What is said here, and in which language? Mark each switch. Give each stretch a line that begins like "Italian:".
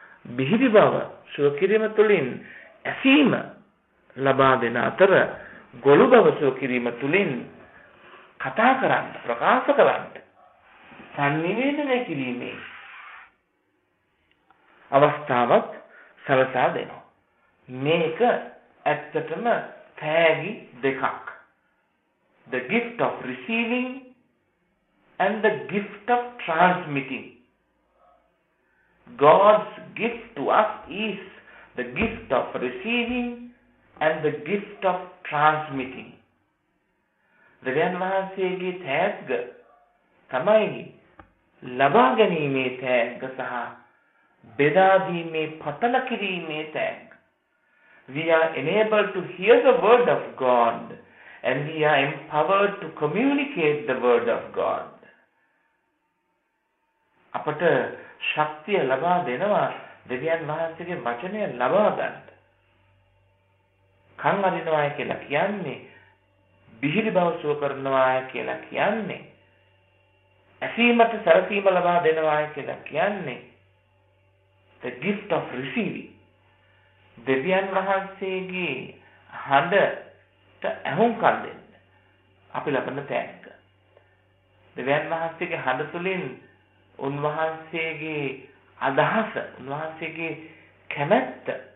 Sinhala: බිහිරි බව සුව කිරීම තුළින් ඇසීම ලබා දෙන අතර ගොළු බව සුව කිරීම තුළින් කතා කරන්න, ප්‍රකාශ කරන්න, සන්නිවේදනය කිරීමේ අවස්ථාවක් සලසා දෙනවා. මේක ඇත්තටම තෑගි දෙකක්.
English: The gift of receiving and the gift of transmitting. God's gift to us is the gift of receiving and the gift of transmitting.
Sinhala: දෙවියන් වහන්සේගේ තෑග්ග තමයි ලබා ගැනීමේ තෑග්ග සහ බෙදා දීමේ, පතල කිරීමේ තෑග්ග.
English: We are enabled to hear the word of God and we are empowered to communicate the word of God.
Sinhala: අපට ශක්තිය ලබා දෙනවා දෙවියන් වහන්සේගේ වචනය ලබා ගන්න. කන් අරිනවාය කියලා කියන්නේ බිහිරි බව සුව කරනවාය කියලා කියන්නේ ඇසීමට සැරසීම ලබා දෙනවාය කියලා කියන්නේ
English: the gift of receiving
Sinhala: දෙවියන් වහන්සේගේ හඳට ඇහුම්කන් දෙන්න අපි ලබන තෑග්ග දෙවියන් වහන්සේගේ හඳ තුළින් උන්වහන්සේගේ අදහස උන්වහන්සේගේ කැමැත්ත